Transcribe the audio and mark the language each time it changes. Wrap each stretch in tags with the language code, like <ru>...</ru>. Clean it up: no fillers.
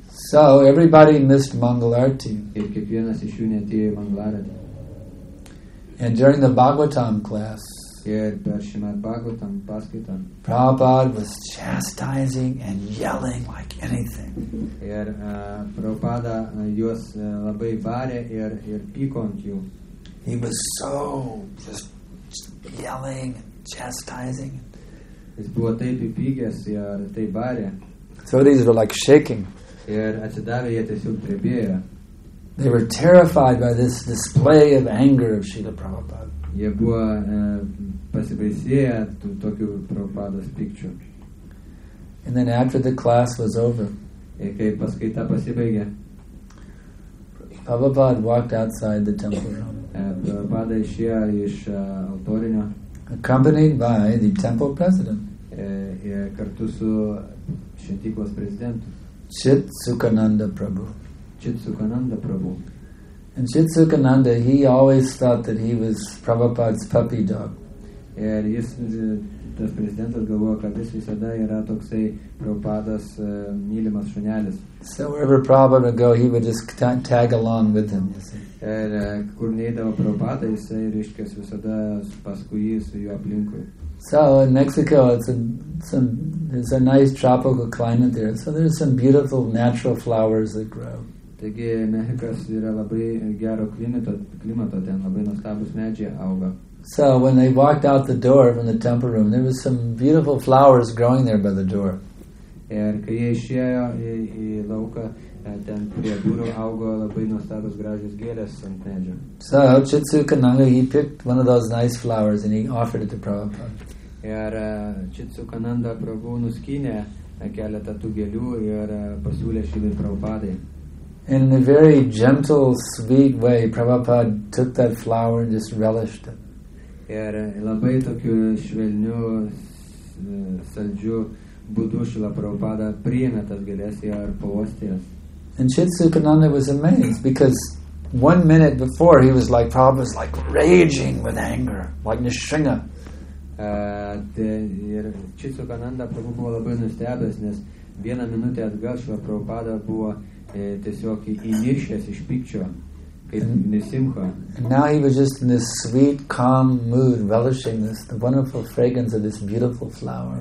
<en>So everybody missed Mangal Arati. And during the Bhagavatam class, Prabhupada was chastising and yelling like anything.</en> <lt>Labai varė ir pyko ant jų.</lt> <en>He was so just yelling and chastising.</en> <lt>Jis buvo taip įpygęs ir taip barė.</lt> <en>So these were like shaking.</en> <lt>Ir atsidavę jie tiesiog drebėjo.</lt> <en>They were terrified by this display of anger of Srila Prabhupada.</en> <lt>Jie buvo pasibaisėję tokiu Prabhupados pykčiu.</lt> <en>And then after the class was over,</en> <lt>kai paskaita pasibaigė,</lt> <en>Prabhupada walked outside the temple room.</en> <lt>Prabhupada išėjo iš altorinio,</lt> <en>accompanied by the temple president.</en> <lt>Kartu su šventyklos prezidentu.</lt> <en>Chit Sukhananda Prabhu. And Chit Sukhananda, he always thought that he was Prabhupada's puppy dog.</en> <lt>Ir jis, tas prezidentas, galvojo, kad jis visada yra toksai Prabhupada's mylimas šunelis.</lt> <en>So wherever Prabhupada would go, he would just tag along with him.</en> <lt>Ir kur neidavo Prabhupada, jisai reiškės visada paskui jį su juo aplinkui.</lt> <en>So in Mexico, it's a nice tropical climate there. So there's some beautiful natural flowers that grow.</en> <lt>Taigi Mexikas yra labai gero klimato, ten labai nuostabus medžiai auga.</lt> <en>So when they walked out the door from the temple room, there was some beautiful flowers growing there by the door.</en> <lt>Ir kai jie išėjo į lauką, ten prie durų augo labai nuostabus gražios gėlės ant medžio.</lt> <en>So Chit Sukhananda, he picked one of those nice flowers and he offered it to Prabhupada.</en> <lt>Ir Chit Sukhananda Prabhu nuskynė keletą tų gėlių ir pasiūlė šį Prabhupadai.</lt> <en>In a very gentle, sweet way, Prabhupada took that flower and just relished it.</en> <lt>Ir labai tokiu švelniu, saldžiu būdu Šrila Prabhupada priėmė tas gėlės ir pavostė jas.</lt> <en>And Chit Sukhananda was amazed because one minute before he was like, Prabhupada was like raging with anger, like Nishringa.</en> <lt>Ir Chit Sukhananda Prabhu buvo labai nustebęs, nes vieną minutę atgal Šrila Prabhupada buvo tiesiog įniršęs iš pykčio.</lt> <en>And now he was just in this sweet, calm mood, relishing this the wonderful fragrance of this beautiful flower.</en>